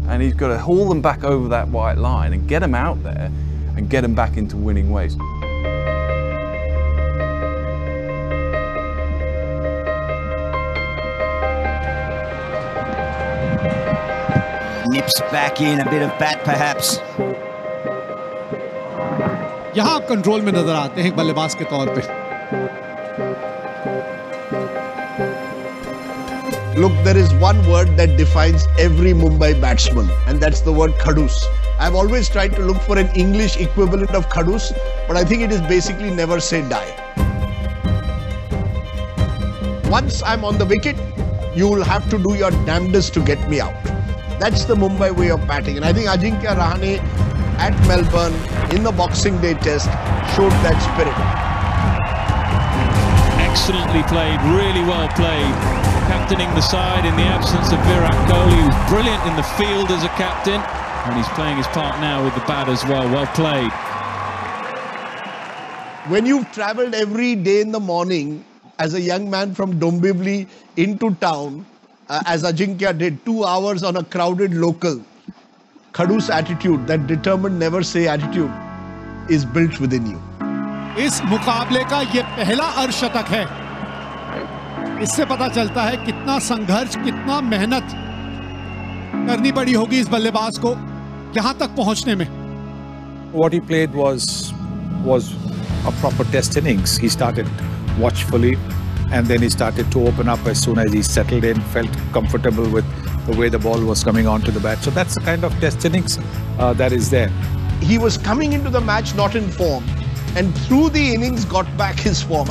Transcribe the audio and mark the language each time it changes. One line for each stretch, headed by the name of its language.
English: And he's got to haul them back over that white line and get them out there and get them back into winning ways. Nips back in, a bit of bat perhaps.
Hindi: यहाँ आप control में नजर आते हैं बल्लेबाज के तौर पे.
English: Look, there is one word that defines every Mumbai batsman, and that's the word khadus. I've always tried to look for an English equivalent of khadus, but I think it is basically never say die. Once I'm on the wicket, you will have to do your damnedest to get me out. That's the Mumbai way of batting, and I think Ajinkya Rahane at Melbourne in the Boxing Day test showed that spirit. Excellently played, really well played. Captaining the side in the absence of Virat Kohli, who's brilliant in the field as a captain. And he's playing his part now with the bat as well. Well played. When you've travelled every day in the morning as a young man from Dombivli into town, as Ajinkya did, 2 hours on a crowded local, khadus attitude, that determined never say attitude, is built within you.
Hindi: इस मुकाबले का ये पहला अर्धशतक है. इससे पता चलता है कितना संघर्ष, कितना मेहनत करनी पड़ी होगी इस बल्लेबाज को यहाँ तक पहुँचने में.
English: What he played was a proper test innings. He started watchfully, and then he started to open up as soon as he settled in, felt comfortable with the way the ball was coming onto the bat. So that's the kind of test innings that is there. He was coming into the match not in form, and through the innings got back his form.